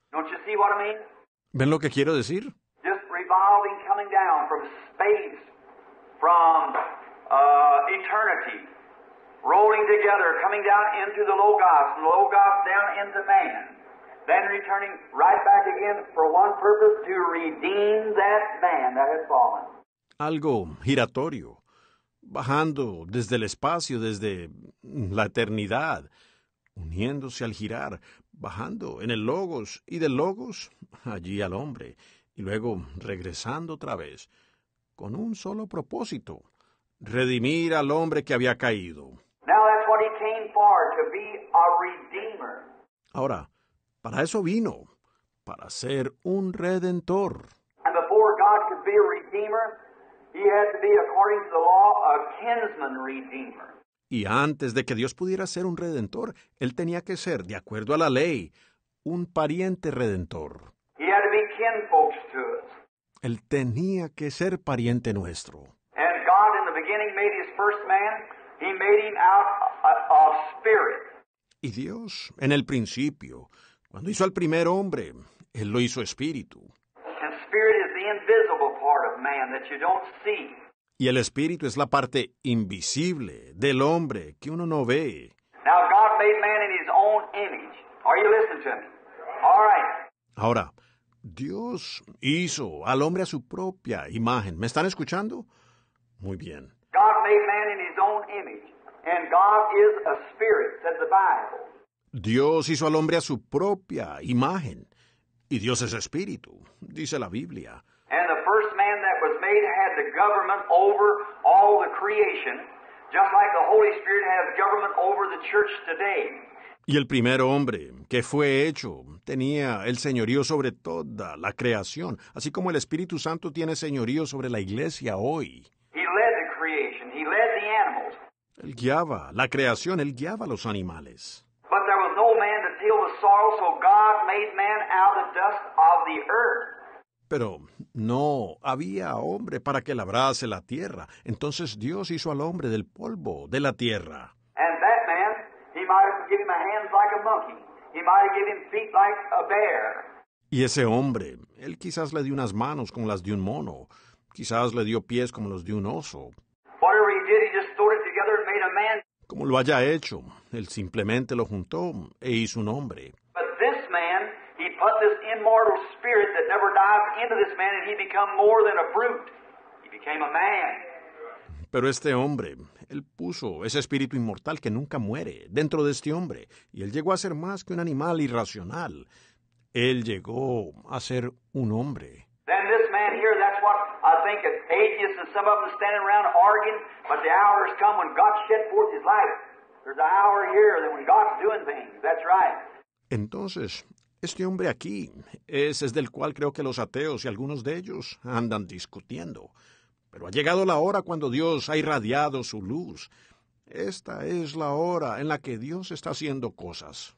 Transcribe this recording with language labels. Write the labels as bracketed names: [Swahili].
[English] Don't you see what I mean? [Spanish] ¿Ven lo que quiero decir? [English] Just revolving, coming down from space, from eternity, rolling together, coming down into the Logos, Logos down into man. Then returning right back again for one purpose, to redeem that man that had fallen. [Spanish] Algo giratorio, bajando desde el espacio, desde la eternidad, uniéndose al girar, bajando en el Logos y del Logos allí al hombre, y luego regresando otra vez, con un solo propósito, redimir al hombre que había caído. [English] Now that's what he came for, to be a redeemer. [Spanish] Ahora, para eso vino, para ser un redentor. [English] And before God could be a redeemer, he had to be, according to the law, a kinsman redeemer. [Spanish] Y antes de que Dios pudiera ser un redentor, él tenía que ser, de acuerdo a la ley, un pariente redentor. [English] He had to be kinfolks to us. [Spanish] Él tenía que ser pariente nuestro. [English] And God, in the beginning, made his first man He made him out of spirit. [Spanish] Y Dios, en el principio, cuando hizo al primer hombre, Él lo hizo espíritu. [English] And spirit is the invisible part of man that you don't see. [Spanish] Y el espíritu es la parte invisible del hombre que uno no ve. [English] Now God made man in his own image. Are you listening to me? All right. [Spanish] Ahora, Dios hizo al hombre a su propia imagen. ¿Me están escuchando? Muy bien. [English] God made man in his own image, and God is a spirit, says the Bible. [Spanish] Dios hizo al hombre a su propia imagen, y Dios es espíritu, dice la Biblia. [English] And the first man that was made had the government over all the creation, just like the Holy Spirit has government over the church today. [Spanish] Y el primer hombre que fue hecho tenía el señorío sobre toda la creación, así como el Espíritu Santo tiene señorío sobre la iglesia hoy. [English] He led the creation. He led the animals. [Spanish] Él guiaba la creación, él guiaba los animales. [English] But there was no man to till the soil, so God made man out of dust of the earth. [Spanish] Pero no había hombre para que labrase la tierra. Entonces Dios hizo al hombre del polvo de la tierra. [English] And that man, he might have given him hands like a monkey. He might have given him feet like a bear. [Spanish] Y ese hombre, él quizás le dio unas manos como las de un mono. Quizás le dio pies como los de un oso. [English] Whatever he did, he just stored it together and made a man. [Spanish] Como lo haya hecho, él simplemente lo juntó e hizo un hombre. [English] But this man, he put this immortal spirit that never dies into this man, and he became more than a brute. He became a man. [Spanish] Pero este hombre, él puso ese espíritu inmortal que nunca muere dentro de este hombre, y él llegó a ser más que un animal irracional. Él llegó a ser un hombre. [English] Then this man here, that's what I think of atheists and some of them standing around arguing, but the hour has come when God shed forth his life. There's an hour here that when God's doing things. That's right. [Spanish] Entonces, este hombre aquí, ese es del cual creo que los ateos y algunos de ellos andan discutiendo. Pero ha llegado la hora cuando Dios ha irradiado su luz. Esta es la hora en la que Dios está haciendo cosas.